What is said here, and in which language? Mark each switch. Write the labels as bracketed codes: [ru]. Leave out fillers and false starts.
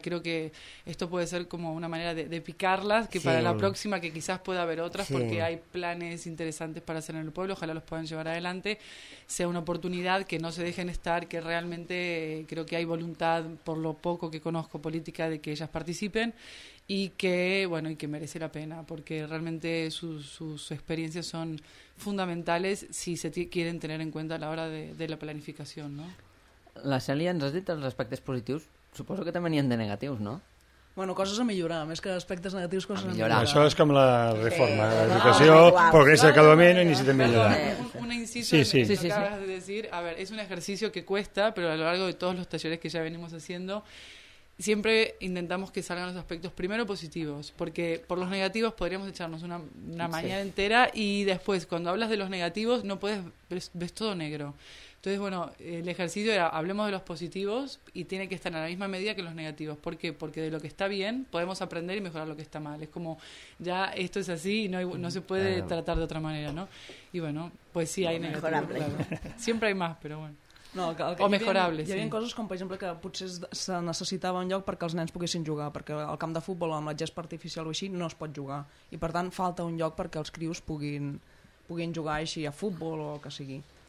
[es] Creo que esto puede ser como una manera de picarlas, que sí, para la próxima, que quizás pueda haber otras, sí, porque hay planes interesantes para hacer en el pueblo, ojalá los puedan llevar adelante, sea una oportunidad, que no se dejen estar, que realmente creo que hay voluntad, por lo poco que conozco política, de que ellas participen. Y que, bueno, y que merece la pena, porque realmente sus experiencias son fundamentales si se quieren tener en cuenta a la hora de la planificación, ¿no? [ca] La Cèlia, ens has dit els aspectes positius, suposo que també n'hi ha de negatius, no? Bueno, coses a millorar, més que aspectes negatius, coses a millorar. Això és com la reforma, sí, l'educació, progressa acabament i necessita millorar. [es] Un inciso sí. Que acabas de decir, a ver, es un ejercicio que cuesta, pero a lo largo de todos los talleres que ya venimos haciendo, siempre intentamos que salgan los aspectos primero positivos, porque por los negativos podríamos echarnos una mañana entera y después, cuando hablas de los negativos, no puedes, ves todo negro. Entonces, bueno, el ejercicio era, hablemos de los positivos y tiene que estar a la misma medida que los negativos. ¿Por qué? Porque de lo que está bien podemos aprender y mejorar lo que está mal. Es como, ya esto es así y no se puede tratar de otra manera, ¿no? Y bueno, pues sí, hay negativos, claro. Siempre hay más, pero bueno. No, o mejorables. [ca] Hi havia coses com, per exemple, que potser se necessitava un lloc perquè els nens poguessin jugar, perquè al camp de futbol amb la gespa artificial o així no es pot jugar. I per tant falta un lloc perquè els crios puguin jugar així a futbol o el que sigui.